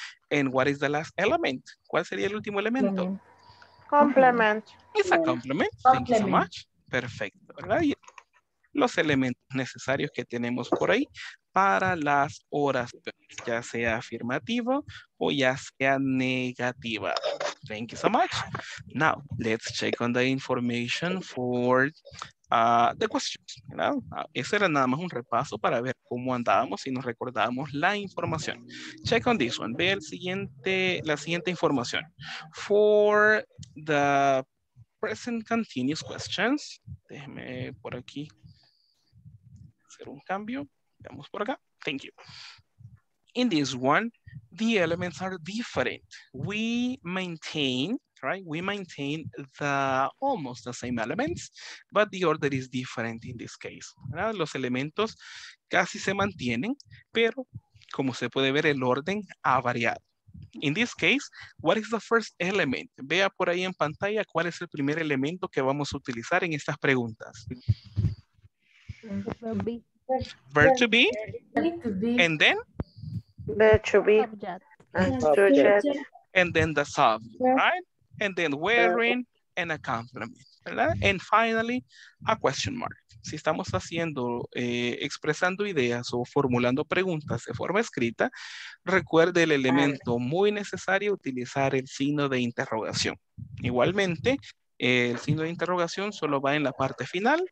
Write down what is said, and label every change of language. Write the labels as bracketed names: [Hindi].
[English] And what is the last element? [Spanish] ¿Cuál sería el último elemento? [English] Complement. It's a complement. Thank you so much. [Spanish] Perfecto, ¿verdad? Los elementos necesarios que tenemos por ahí para las oraciones, ya sea afirmativo o ya sea negativa. [English] Thank you so much. Now, let's check on the information for the questions. [Spanish] Ese era nada más un repaso para ver cómo andábamos y nos recordábamos la información. [English] Check on this one. [Spanish] Ve el siguiente, la siguiente información. [English] For the present continuous questions. [Spanish] Déjeme por aquí hacer un cambio. Vamos por acá. [English] Thank you. In this one, the elements are different. We maintain, right? We maintain the almost the same elements, but the order is different in this case. [Spanish] ¿Verdad? Los elementos casi se mantienen, pero como se puede ver, el orden ha variado. [English] In this case, what is the first element? [Spanish] Vea por ahí en pantalla cuál es el primer elemento que vamos a utilizar en estas preguntas. [English] Verb to be. And then? Verb to be. And then the subject, right? And then wearing and a complement. [Spanish] ¿verdad? [English] And finally, a question mark. [Spanish] Si estamos haciendo, expresando ideas o formulando preguntas de forma escrita, recuerde el elemento muy necesario utilizar el signo de interrogación. Igualmente, el signo de interrogación solo va en la parte final.